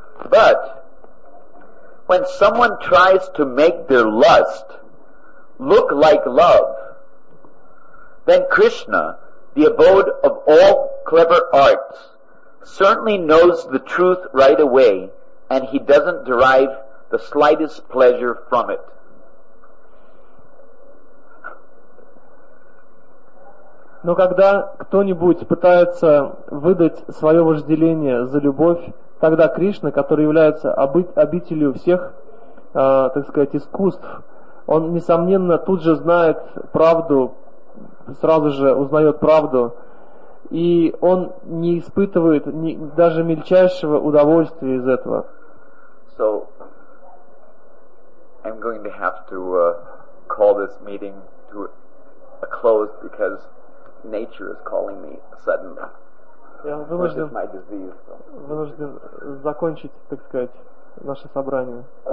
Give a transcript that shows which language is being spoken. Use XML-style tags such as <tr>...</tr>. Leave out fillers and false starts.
<en>But when someone tries to make their lust look like love, then Krishna, the abode of all clever arts, certainly knows the truth right away, and he doesn't derive the slightest pleasure from it.</en> <ru>Но когда кто-нибудь пытается выдать свое вожделение за любовь, тогда Кришна, который является обителью всех, так сказать, искусств, он, несомненно, тут же знает правду, сразу же узнает правду, и он не испытывает даже мельчайшего удовольствия из этого.</ru> <en>So, I'm going to have to call this meeting to a close because nature is calling me suddenly.</en> <ru>Я вынужден,</ru> <en>my disease, so.</en> <ru>Вынужден закончить, так сказать, наше собрание.</ru>